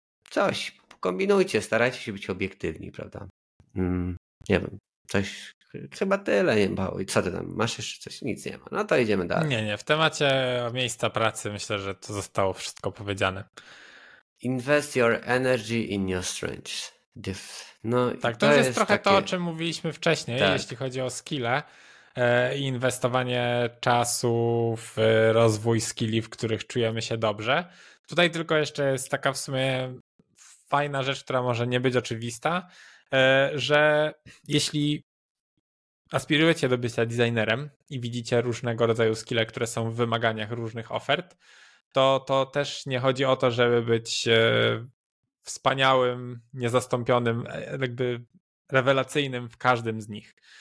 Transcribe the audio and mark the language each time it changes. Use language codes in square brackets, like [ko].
[pl] Coś. Kombinujcie, starajcie się być obiektywni, prawda? Nie wiem, coś chyba tyle, nie bał. I co ty tam, masz jeszcze coś? Nic nie ma. No to idziemy dalej. Nie, w temacie miejsca pracy myślę, że to zostało wszystko powiedziane. [en] Invest your energy in your strengths. [pl] No, tak, to jest trochę takie... to, o czym mówiliśmy wcześniej, tak. Jeśli chodzi o skille i inwestowanie czasu w rozwój skilli, w których czujemy się dobrze. Tutaj tylko jeszcze jest taka w sumie fajna rzecz, która może nie być oczywista, że jeśli aspirujecie do bycia designerem i widzicie różnego rodzaju skille, które są w wymaganiach różnych ofert, to też nie chodzi o to, żeby być wspaniałym, niezastąpionym, jakby rewelacyjnym w każdym z nich.